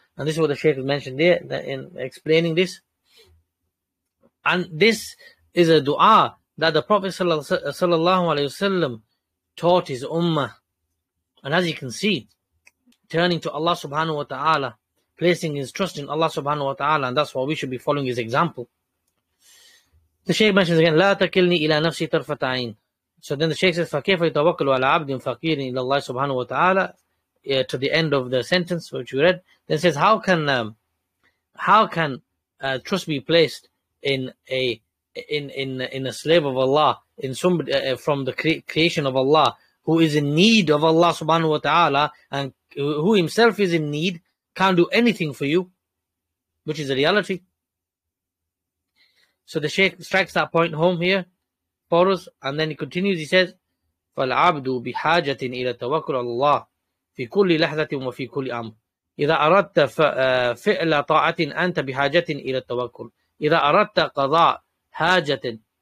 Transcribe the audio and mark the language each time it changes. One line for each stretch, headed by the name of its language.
English: And this is what the Shaykh mentioned there that in explaining this. And this is a dua that the Prophet sallallahu alaihi wasallam taught his ummah. And as you can see, turning to Allah subhanahu wa ta'ala, placing his trust in Allah subhanahu wa ta'ala, and that's why we should be following his example. The Shaykh mentions again,
Arabic: لا تكلني إلى نفسي طرفة عين.
English: So then the Shaykh says,
Arabic: فَكَيْفَ يَتَوَكَّلُ عَلَى عَبْدٍ فَقِيرٍ إِلَى اللَّهِ سُبْحَانَهُ وَتَعَالَى,
English: to the end of the sentence which we read. Then says, how can trust be placed in a slave of Allah, in somebody from the creation of Allah, who is in need of Allah subhanahu wa ta'ala, and who himself is in need, can't do anything for you, which is a reality. So the Shaykh strikes that point home here for us, and then he continues. He says,
Arabic: فَالْعَبْدُ بِحَاجَةٍ إِلَى تَوَكُلُ اللَّهِ فِي كُلِّ لَحْظَةٍ وَفِي كُلِّ أَمْرٍ إِذَا أَرَدْتَ فِعْلَ طَاعَةٍ أَنْتَ بِحَاجَةٍ إِلَى التَّوَكُلِ إِذَا أَرَدْتَ قَضَاء حَاجَةٍ